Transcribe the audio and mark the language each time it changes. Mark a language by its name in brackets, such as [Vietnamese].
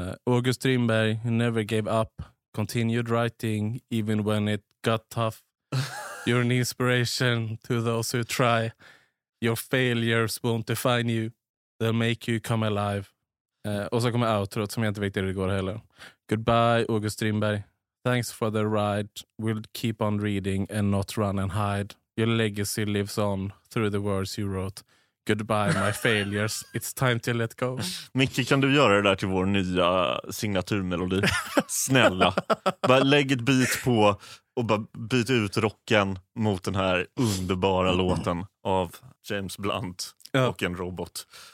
[English] August Strindberg never gave up. Continued writing even when it got tough. You're an inspiration to those who try. Your failures won't define you. They'll make you come alive. [Swedish] Och så kommer outro som jag inte vet hur det går heller. [English] Goodbye August Strindberg. Thanks for the ride. We'll keep on reading and not run and hide. Your legacy lives on through the words you wrote. Goodbye my failures. It's time to let go. [Swedish] Micke, kan du göra det där till vår nya signaturmelodi? Snälla. Bara lägg ett beat på och bara byt ut rocken mot den här underbara låten av James Blunt och en robot.